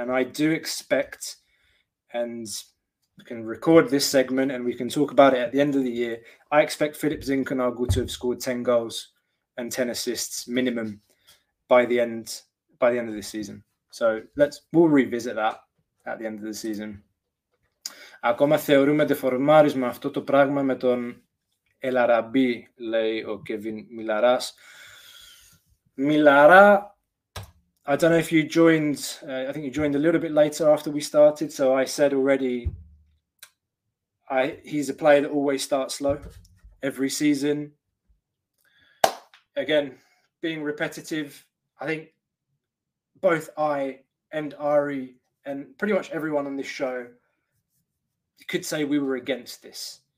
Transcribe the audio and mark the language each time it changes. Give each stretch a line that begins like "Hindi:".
Greek: And I do expect, and we can record this segment and we can talk about it at the end of the year, I expect Philip Zinchenko to have scored 10 goals and 10 assists minimum by the end of this season. So we'll revisit that at the end of the season. Ακόμα θεωρούμε δεφορμάρισμα αυτό το πράγμα με τον El Arabi, λέει ο Kevin Milaras.
English: Milara, I don't know if you joined, I think you joined a little bit later after we started. So I said already, he's a player that always starts slow every season. Again, being repetitive, I think both I and Ari and pretty much everyone on this show could say we were against this.